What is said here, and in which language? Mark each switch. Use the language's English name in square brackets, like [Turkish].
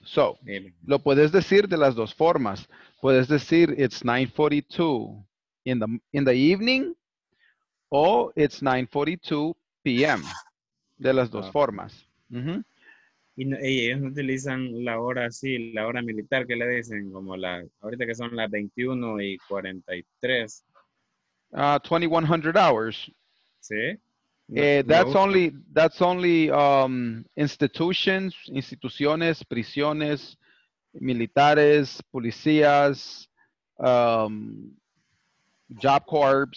[Spanish] So, lo puedes decir de las dos formas. Puedes decir [English] it's 9:42 in the evening o it's 9:42 p.m. [Spanish] de las dos formas. Y ellos no utilizan la hora así, la hora militar que le dicen, como la ahorita que son las 21:43. [English] 2100 hours. [Spanish] ¿Sí? [English] That's only [Spanish] instituciones, prisiones, militares, policías, [English] job corps.